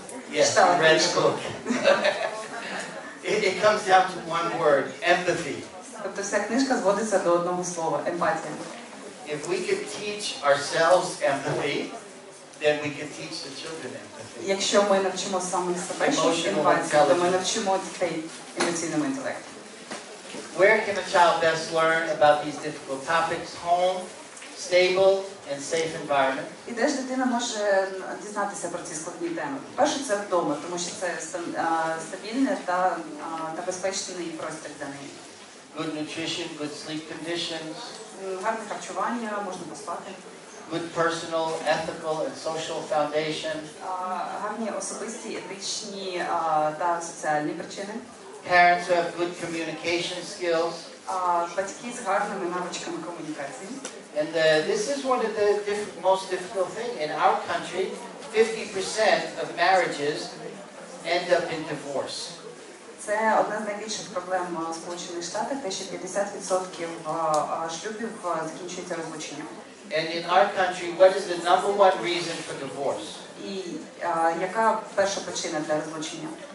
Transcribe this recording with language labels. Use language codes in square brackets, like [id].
[en] Yes, you read the book. It comes down to one word, empathy. [uk] Тобто вся книжка зводиться до одного слова – емпатія. [en] If we could teach ourselves empathy, then we could teach the children empathy. [uk] Якщо ми навчимо самих себе емпатії, то ми навчимо дітей емоційному інтелекту. [en] Where can a child best learn about these difficult topics? Home, stable and safe environment. [uk] І де ж дитина може дізнатися про ці складні теми? Перше, це вдома, тому що це стабільне та безпечний простір для неї. [en] Good nutrition, good sleep conditions. [uk] Гарне харчування, можна поспати. [en] Good personal, ethical and social foundation. [uk] Гарні особисті, етичні та соціальні причини. [en] Parents who have good communication skills. [uk] Батьки з гарними навичками комунікації. [en] And this is one of the most difficult things. In our country, 50% of marriages end up in divorce. [uk] Це одна з найбільших проблем в Сполучених Штатах, те, що 50% шлюбів закінчується розлученням. [en] And in our country, what is the number one reason for divorce? [uk] І яка перша причина для розлучення?